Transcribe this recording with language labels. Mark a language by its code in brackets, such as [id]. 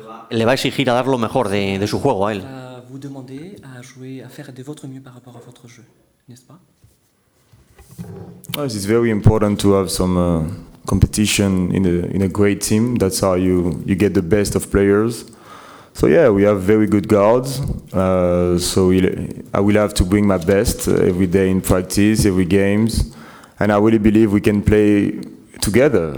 [es] Le va a exigir a dar lo mejor de su juego a él. [fr] Vous demandez à jouer, à faire de votre mieux par rapport à votre jeu, n'est-ce pas? [en] It's very important to have some competition in a great team. That's how you get the best of players. So yeah, we have very good guards. So I will have to bring my best every day in practice, every games, and I really believe we can play together.